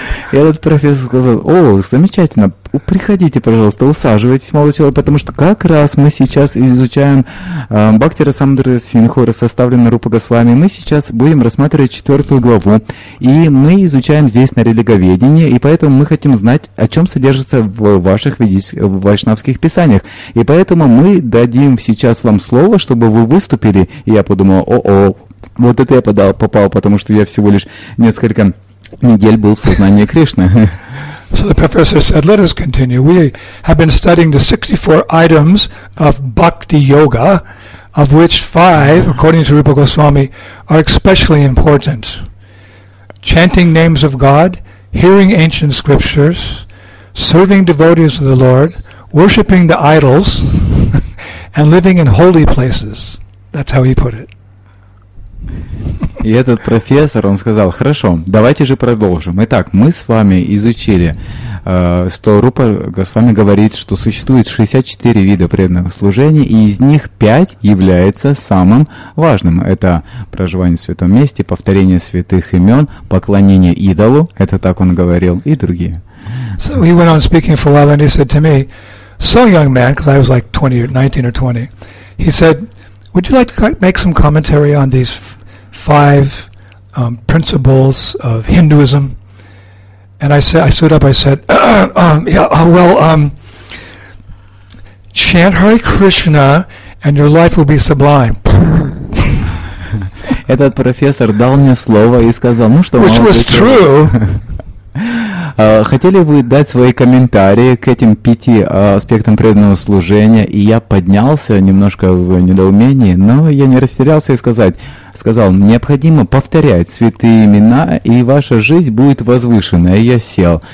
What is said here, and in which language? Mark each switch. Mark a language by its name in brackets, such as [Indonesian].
[Russian] И этот профессор сказал, о, замечательно, приходите, пожалуйста, усаживайтесь, молодой человек, потому что как раз мы сейчас изучаем Бхакти Расамудра Синхора, составленный Рупа Госвами, мы сейчас будем рассматривать четвертую главу, и мы изучаем здесь на религоведении, и поэтому мы хотим знать, о чем содержится в ваших вайшнавских писаниях. И поэтому мы дадим сейчас вам слово, чтобы вы выступили, и я подумал, о-о, вот это я попал, потому что я всего лишь несколько... недель был в сознании Кришны. [English] So the professor said, let us continue. We have been studying the 64 items of Bhakti Yoga, of which five, according to Rupa Goswami, are especially important. Chanting names of God, hearing ancient scriptures, serving devotees of the Lord, worshipping the idols, and living in holy places. That's how he put it. [Russian] И этот профессор, он сказал, хорошо, давайте же продолжим. Итак, мы с вами изучили, что Рупа Госвами говорит, что существует 64 вида преданного служения, и из них 5 является самым важным. Это проживание в святом месте, повторение святых имен, поклонение идолу, это так он говорил, и другие. [English] So he went on speaking for a while, and he said to me, so young man, because I was like 20 or 19 or 20, he said, would you like to make some commentary on these five principles of Hinduism? And I stood up, I said, chant Hare Krishna and your life will be sublime. [Russian] Этот профессор дал мне слово и сказал, ну что, [English] which was true. [Russian] Хотели вы дать свои комментарии к этим 5 аспектам преданного служения, и я поднялся немножко в недоумении, но я не растерялся и сказал, необходимо повторять святые имена, и ваша жизнь будет возвышена, и я сел.